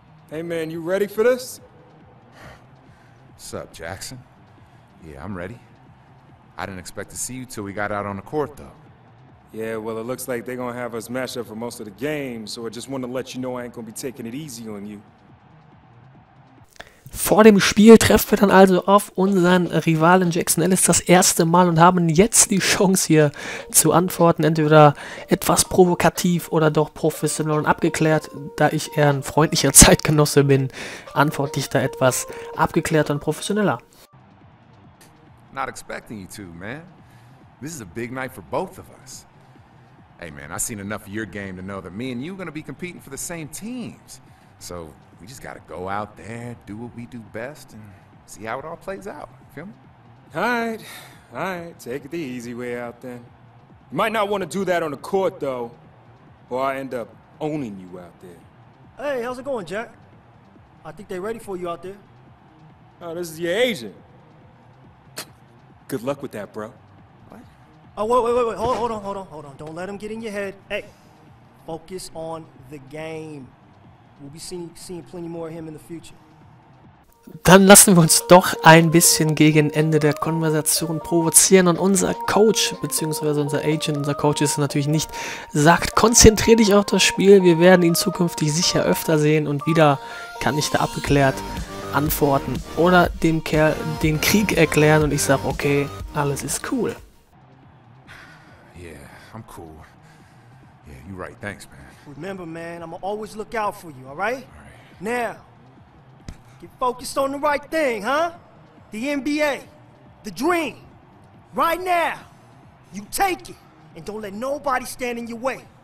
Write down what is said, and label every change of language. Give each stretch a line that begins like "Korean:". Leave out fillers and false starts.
English: Hey, man, you ready for this? What's up, Jackson? Yeah, I'm ready. I didn't expect to see you till we got out on the court, though. Yeah, well, it looks like they're gonna have us match up for most of the game, so I just wanted to let you know I ain't gonna be taking it easy on you.
German: Vor dem Spiel treffen wir dann also auf unseren Rivalen Jackson Ellis das erste Mal und haben jetzt die Chance hier zu antworten, entweder etwas provokativ oder doch professionell und abgeklärt. Da ich eher ein freundlicher Zeitgenosse bin, antworte ich da etwas abgeklärter und professioneller.
English: Not expecting you to, man. This is a big night for both of us. Hey man, I've seen enough of your game to know that me and you are going to be competing for the same teams. So we just gotta go out there, do what we do best, and see how it all plays out. Feel me? All right. Take it the easy way out then. You might not want to do that on the court though, or I end up owning you out there. Hey, how's it going, Jack? I think they're ready for you out there. Oh, this is your agent. Good luck with that, bro. What? Oh, wait. Hold on. Don't let him get in your head. Hey, focus on the game. We'll be seeing plenty more of him in the future.
German: Dann lassen wir uns doch ein bisschen gegen Ende der Konversation provozieren und unser Coach bzw. unser Coach ist natürlich nicht, sagt, konzentrier dich auf das Spiel, wir werden ihn zukünftig sicher öfter sehen und wieder kann ich da abgeklärt antworten oder dem Kerl den Krieg erklären und ich sag, okay, alles ist cool.
English: Yeah, I'm cool. Yeah, you're right, thanks, man. Remember, man, I'ma always look out for you, alright? Right. Now, get focused on the right thing, huh? The NBA, the dream, right now. You take it, and don't let nobody stand in your way.